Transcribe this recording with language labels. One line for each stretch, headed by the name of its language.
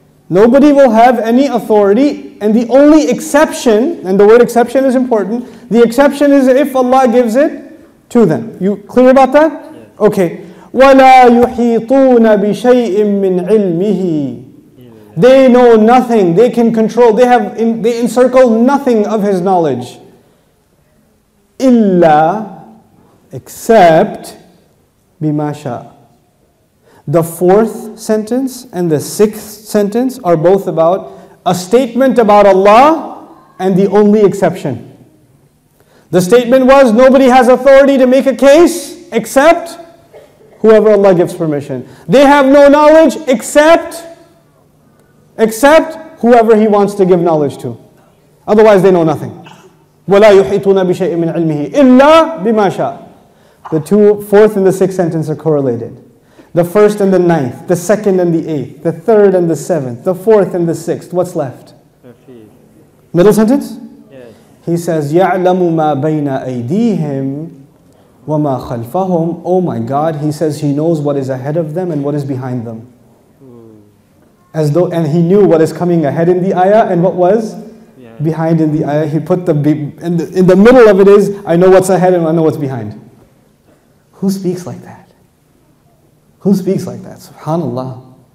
English: Nobody will have any authority, and the only exception, and the word exception is important, the exception is if Allah gives it to them. You clear about that? Yeah.
Arabic: Okay. وَلَا يُحِيطُونَ بِشَيْءٍ مِّنْ عِلْمِهِ.
English: They know nothing. They can control. They encircle nothing of his knowledge.
Arabic: إِلَّا except بِمَا شَاءَ.
English: The fourth sentence and the sixth sentence are both about a statement about Allah and the only exception. The statement was, nobody has authority to make a case except whoever Allah gives permission. They have no knowledge except whoever He wants to give knowledge to. Otherwise they know nothing.
Arabic: وَلَا يُحِيطُونَ بِشَيْءٍ مِّنْ عِلْمِهِ إِلَّا بِمَا شَاءَ.
English: The two, fourth and the sixth sentence are correlated. The first and the ninth, the second and the eighth, the third and the seventh, the fourth and the sixth. What's left? Middle sentence? Yes. He says,
Arabic: يَعْلَمُ مَا بَيْنَ أَيْدِيهِمْ وَمَا خَلْفَهُمْ.
English: Oh my God, he says he knows what is ahead of them and what is behind them. As though, and he knew what is coming ahead in the ayah and what was behind in the ayah. He put in the middle of it is, I know what's ahead and I know what's behind. Who speaks like that? Who speaks like that? Subhanallah.